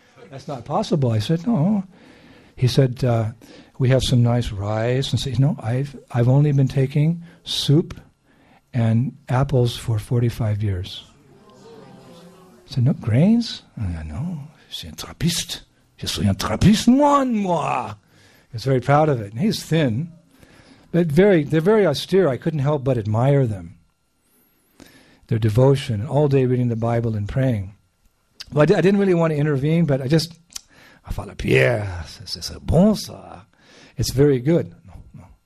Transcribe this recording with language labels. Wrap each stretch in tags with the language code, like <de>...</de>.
<en>That's not possible. I said, no. He said, we have some nice rice. And said, no, I've only been taking soup and apples for 45 years. I said, no grains? No,</en> <fr>c'est un trappiste. Je suis un trappiste, moi.</fr> <en>He's very proud of it. And he's thin. But they're very austere. I couldn't help but admire them. Their devotion, all day reading the Bible and praying. Well, I didn't really want to intervene, but I just, Father Pierre,</en> <fr>c'est bon ça.</fr> <en>It's very good. No, no.</en>